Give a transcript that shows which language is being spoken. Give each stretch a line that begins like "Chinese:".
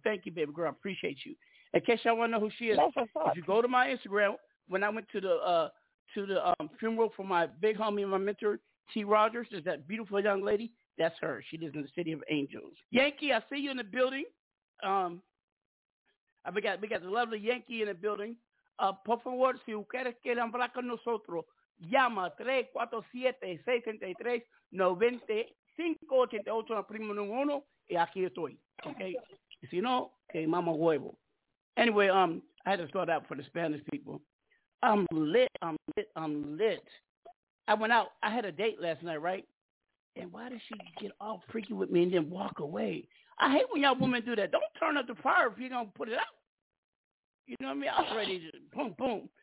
English: Thank you, baby girl. I appreciate you. In case y'all want to know who she is, if you go to my Instagram, when I went to the funeral for my big homie and my mentor, T. Rogers, is that beautiful young lady. That's her. She lives in the City of Angels. Yankee, I see you in the building. We got the lovely Yankee in the building.
Spanish: Por favor, si quieres que hablar con nosotros, llama 347-633-9588 a primo número uno y aquí estoy. Okay? Si no, que mama huevo.
English: Anyway, I had to start out for the Spanish people. I'm lit. I went out. I had a date last night, right? And why did she get all freaky with me and then walk away? I hate when y'all women do that. Don't turn up the fire if you're going to put it out. You know what I mean? I was ready to boom, boom.